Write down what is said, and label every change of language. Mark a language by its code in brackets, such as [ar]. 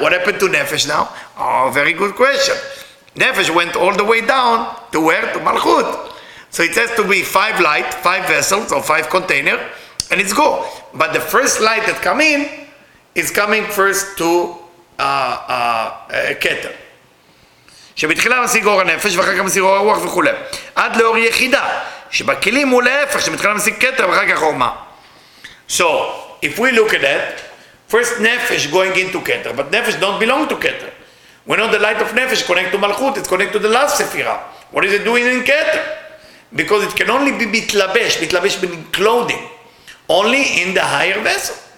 [en] What happened to Nefesh now? Oh, very good question. Nefesh went all the way down to where? To Malchut. So it has to be five light, five vessels, or five containers, and it's go. But the first light that come in is coming first to Keter. [he] שבתחילה משיג אור הנפש ואחר כך משיג אור הרוח וכו'. עד לאור יחידה, שבכלים הוא להפך, שמתחילה משיג כתר ואחר כך אור מה. [en] So, if we look at that, first נפש going into כתר, but נפש don't belong to כתר. We know the light of נפש connect to מלכות, it's connect to the last ספירה. What is it doing in כתר? Because it can only be מתלבש, מתלבש in clothing, only in the higher vessel.